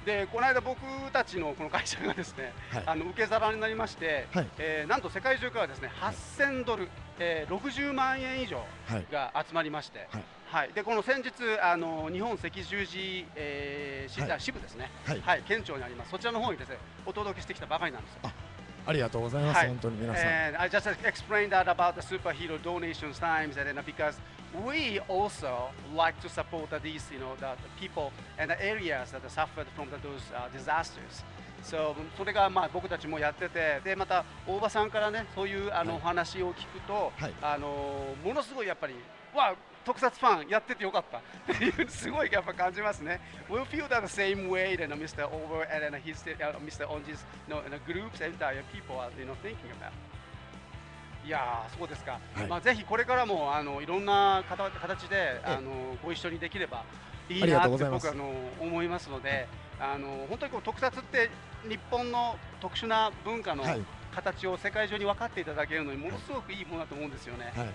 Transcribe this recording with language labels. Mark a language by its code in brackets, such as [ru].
[ja] でこの間僕たちのこの会社がですね、はい、受け皿になりまして、はい、なんと世界中からですね$8,000、はい、60万円以上が集まりまして、はいはい、でこの先日日本赤十字、はい、支部ですね、はいはい、県庁にあります、そちらの方にですねお届けしてきたばかりなんですよ。ありがとうございます、はい、本当に皆さん。 [en] I just explained that about the superhero donation times, and because we also like to support these, you know, the people and the areas that suffered from those disasters. [ja] So, それがまあ僕たちもやってて、でまた大場さんからね、そういうお話を聞くと、はい、ものすごいやっぱり、わあ、特撮ファンやっててよかったすごいやっぱ感じますね。 [en] We'll feel that the same way that Mr. Over and his, Mr. Onji's you know, groups and entire people are you know, thinking about. [ja] いやーそうですか、はい、まあ、ぜひこれからもいろんな形でご一緒にできればいいなって僕思いますので、本当にこう特撮って日本の特殊な文化の形を世界中に分かっていただけるのにものすごくいいものだと思うんですよね、